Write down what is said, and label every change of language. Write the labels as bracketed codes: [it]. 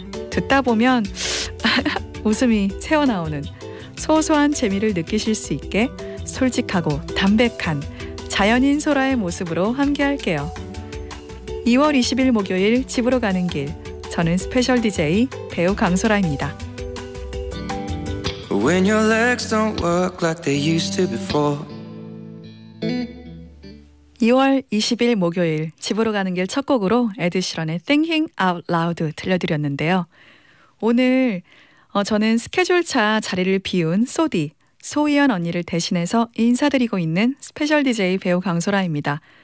[ko] 듣다 보면 웃음이 새어나오는 소소한 재미를 느끼실 수 있게 솔직하고 담백한 자연인 소라의 모습으로 함께할게요. 2월 20일 목요일 집으로 가는 길, 저는 스페셜 DJ 배우 강소라입니다. [en] When your legs don't work like they used to before. [ko] 2월 20일 목요일 집으로 가는 길 첫 곡으로 에드 시런의 Thinking Out Loud 들려드렸는데요. 오늘 저는 스케줄차 자리를 비운 소디, 소희연 언니를 대신해서 인사드리고 있는 스페셜 DJ 배우 강소라입니다.